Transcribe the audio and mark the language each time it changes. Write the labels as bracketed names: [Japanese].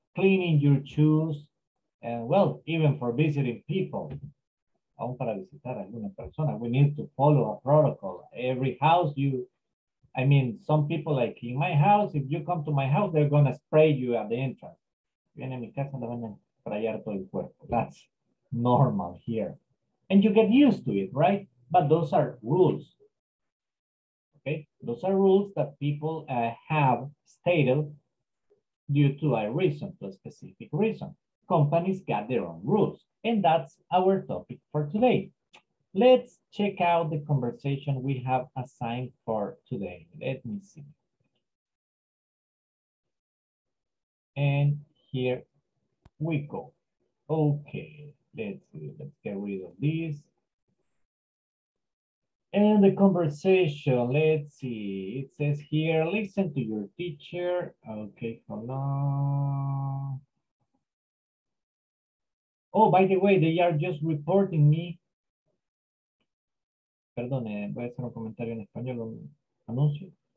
[English] Cleaning your shoes, and well, even for visiting people, [Spanish] aun para visitar alguna persona, [English] we need to follow a protocol. Every house some people, like in my house, if you come to my house, they're gonna spray you at the entrance. [Spanish] Viene mi casa, la van a sprayar todo el cuerpo. [English] That's normal here. And you get used to it, right? But those are rules, okay? Those are rules that people have stated due to a specific reason. Companies got their own rules. And that's our topic for today. Let's check out the conversation we have assigned for today. Let me see. And here we go. Okay, let's see. Let's get rid of this. And the conversation, let's see. It says here, listen to your teacher. Okay, hold on. Oh, by the way, they are just reporting me. [Spanish] Perdón, voy a hacer un comentario en español, un anuncio.